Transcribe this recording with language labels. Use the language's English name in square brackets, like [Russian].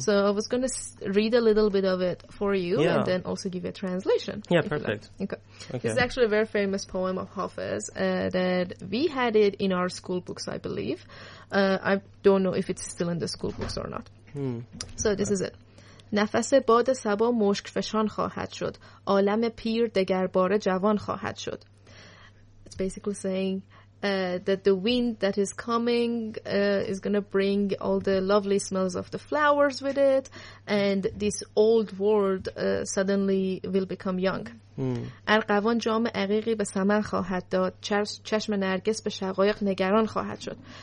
[English] So I was going to read a little bit of it for you and then also give you a translation. Yeah, perfect. Okay. This is actually a very famous poem of Hafez that we had it in our school books, I believe. I don't know if it's still in the school books or not. So this is it. [Persian] نفس باد سبا مشک فشان خواهد شد. عالم پیر دگرباره جوان خواهد شد. [English] It's basically saying that the wind that is coming is going to bring all the lovely smells of the flowers with it, and this old world suddenly will become young. [Persian] ارغوان جام عقیقی به سمن خواهد داد، چشم نرگس به شقایق نگران خواهد شد.